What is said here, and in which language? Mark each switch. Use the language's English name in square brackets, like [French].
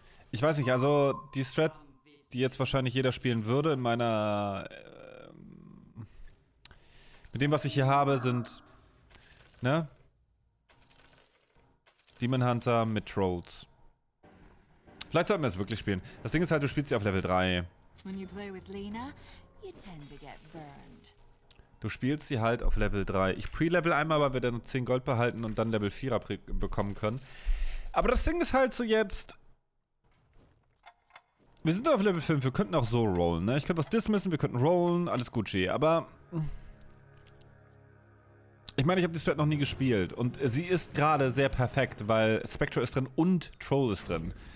[German] Ich weiß nicht, also die Strat, die jetzt wahrscheinlich jeder spielen würde, in meiner mit dem, was ich hier habe, sind, ne? Demon Hunter mit Trolls. Vielleicht sollten wir es wirklich spielen. Das Ding ist halt, du spielst sie auf Level 3. [English] When you play with Lena, you tend to get burned. [German] Du spielst sie halt auf Level 3. Ich pre-level einmal, weil wir dann 10 Gold behalten und dann Level 4er bekommen können. Aber das Ding ist halt so jetzt, wir sind auf Level 5, wir könnten auch so rollen, ne? Ich könnte was dismissen, wir könnten rollen, alles Gucci, aber ich meine, ich habe die Strat noch nie gespielt und sie ist gerade sehr perfekt, weil Spectre ist drin und Troll ist drin.